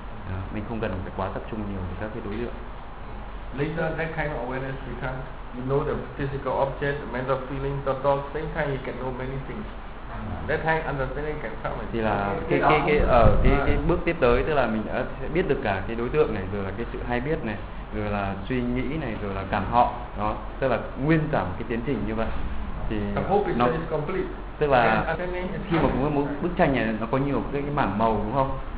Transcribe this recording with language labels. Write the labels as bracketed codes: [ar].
[vi] Đó, mình không cần phải quá tập trung nhiều về các cái đối tượng. [en] Later, that kind of awareness becomes, you know, the physical object, the mental feeling, the dog, same time you can know many things. That kind of understanding can come. [vi] Thì là cái bước tiếp tới, tức là mình sẽ biết được cả cái đối tượng này, rồi là cái sự hay biết này, rồi là suy nghĩ này, rồi là cảm họ, đó, tức là nguyên cả một cái tiến trình như vậy. Thì [en] I hope it is complete. [vi] Tức là khi mà một bức tranh này nó có nhiều cái mảng màu đúng không?